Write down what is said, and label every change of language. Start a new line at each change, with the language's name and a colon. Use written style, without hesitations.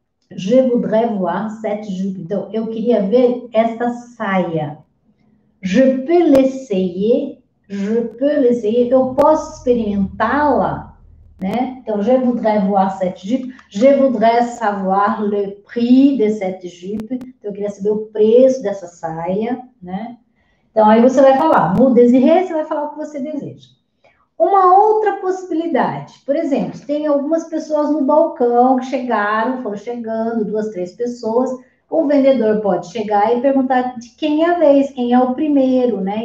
French: Je voudrais voir cette jupe.
Portuguese: Então, eu queria ver esta saia.
French: Je peux l'essayer. Je peux l'essayer.
Portuguese: Eu posso experimentá-la, né?
French: Então, je voudrais voir cette jupe. Je voudrais savoir le prix de cette jupe.
Portuguese: Então, eu queria saber o preço dessa saia, né? Então, aí você vai falar,
French: vous désirez,
Portuguese: você vai falar o que você deseja. Uma outra possibilidade, por exemplo, tem algumas pessoas no balcão que chegaram, foram chegando, duas, três pessoas. O vendedor pode chegar e perguntar de quem é a vez, quem é o primeiro, né?